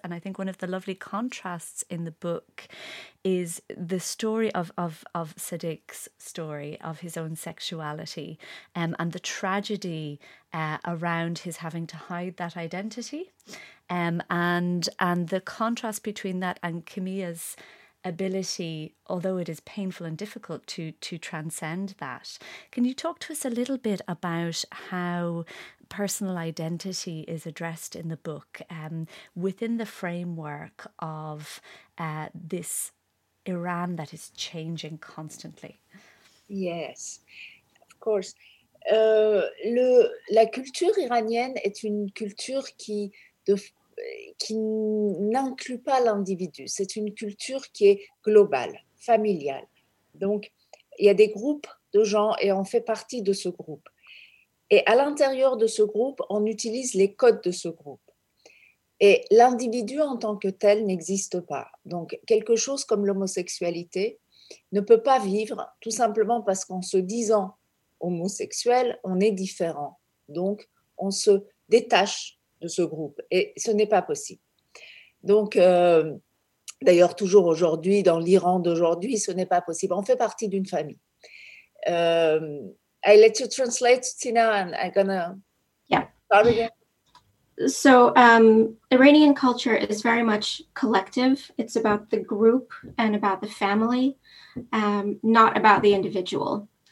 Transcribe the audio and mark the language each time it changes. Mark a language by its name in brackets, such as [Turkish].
[English] And I think one of the lovely contrasts in the book is the story of Sadiq's story of his own sexuality, and the tragedy around his having to hide that identity, and the contrast between that and Camille's ability, although it is painful and difficult, to transcend that. Can you talk to us a little bit about how personal identity is addressed in the book, within the framework of this Iran that is changing constantly? Yes, of course. [French] La culture iranienne est une culture qui n'inclut pas l'individu. C'est une culture qui est globale, familiale. Donc, il y a des groupes de gens et on fait partie de ce groupe. Et à l'intérieur de ce groupe, on utilise les codes de ce groupe. Et l'individu en tant que tel n'existe pas. Donc, quelque chose comme l'homosexualité ne peut pas vivre tout simplement parce qu'en se disant homosexuel, on est différent. Donc, on se détache de ce groupe, et ce n'est pas possible. Donc, d'ailleurs, toujours aujourd'hui, dans l'Iran d'aujourd'hui, ce n'est pas possible. On fait partie d'une famille. [English] I let you translate, Tina, and I'm gonna start again. So, Iranian culture is very much collective. It's about the group and about the family, not about the individual.